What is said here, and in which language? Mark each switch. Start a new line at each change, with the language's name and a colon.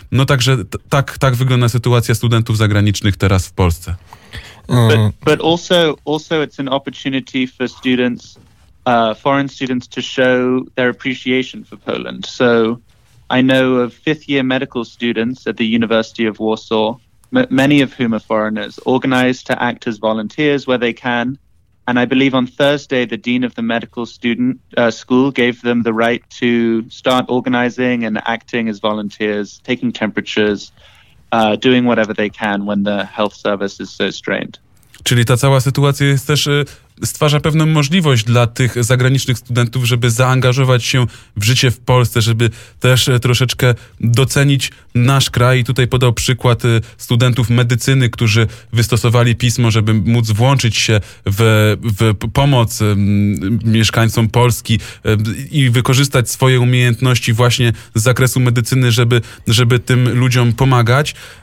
Polish: No także tak wygląda sytuacja studentów zagranicznych teraz w Polsce.
English: But also it's an opportunity for students, foreign students to show their appreciation for Poland. So I know of fifth year medical students at the University of Warsaw, many of whom are foreigners, organized to act as volunteers where they can. And I believe on Thursday, the dean of the medical student school gave them the right to start organizing and acting as volunteers, taking temperatures, doing whatever they can when the health service is so strained.
Polish: Czyli ta cała sytuacja jest też stwarza pewną możliwość dla tych zagranicznych studentów, żeby zaangażować się w życie w Polsce, żeby też troszeczkę docenić nasz kraj. I tutaj podał przykład studentów medycyny, którzy wystosowali pismo, żeby móc włączyć się w pomoc mieszkańcom Polski i wykorzystać swoje umiejętności właśnie z zakresu medycyny, żeby tym ludziom pomagać.